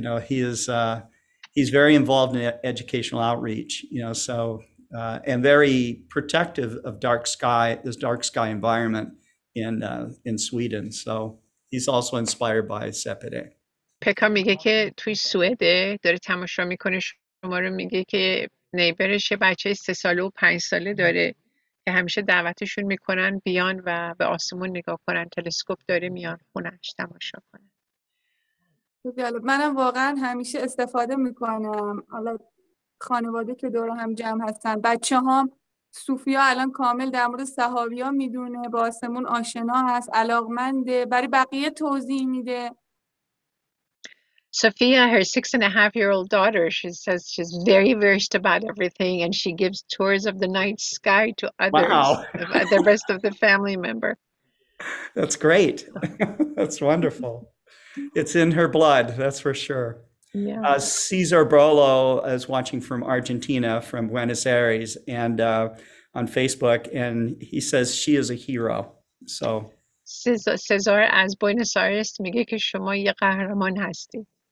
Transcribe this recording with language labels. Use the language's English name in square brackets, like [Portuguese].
[English] He is. He's very involved in educational outreach, and very protective of dark sky, this dark sky environment in Sweden. So he's also inspired by Sepideh. [Persian] پکا میگه که توی سوئد داره تماشا میکنه شما رو، میگه که نیبرش یه بچه 3 ساله و 5 ساله داره که همیشه دعوتشون میکنن بیان و به آسمون نگاه کنن، تلسکوپ داره میان خونش تماشا کنه. منم واقعا همیشه استفاده میکنم، حالا خانواده که دور هم جمع هستن، بچه هم صوفیا الان کامل در مورد صحابیا میدونه، با آسمون آشنا هست، علاقمنده، برای بقیه توضیح میده. [English] Sophia, her 6.5-year-old daughter, she says she's very versed about everything, and she gives tours of the night sky to others, the Wow. rest of the family member. That's great. That's wonderful. It's in her blood, that's for sure. Cesar Brolo is watching from Argentina, from Buenos Aires, and on Facebook, and he says she is a hero. So, [Persian] سزار از بوینس آیرس میگه که شما یه قهرمان هستید.